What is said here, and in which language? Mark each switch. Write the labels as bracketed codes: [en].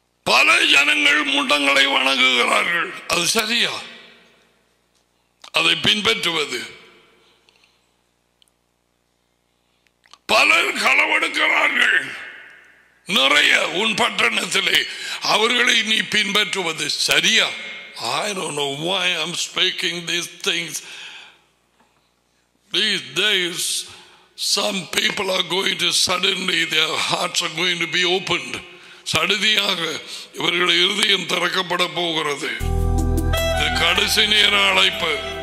[ta] பல ஜனங்கள் முண்டங்களை வணங்குகிறார்கள், அது சரியா? அதை பின்பற்றுவது? பலர் களவெடுக்கிறார்கள் நிறைய உன் பட்டணத்திலே, அவர்களை நீ பின்பற்றுவது சரியா? [en] I don't know why I'm speaking these things. These days, some people are going to suddenly, their hearts are going to be opened. [ta] சடுதியாக இவர்களுடைய இருதயம் திறக்கப்பட போகிறது. இது கடைசி நேர அழைப்பு.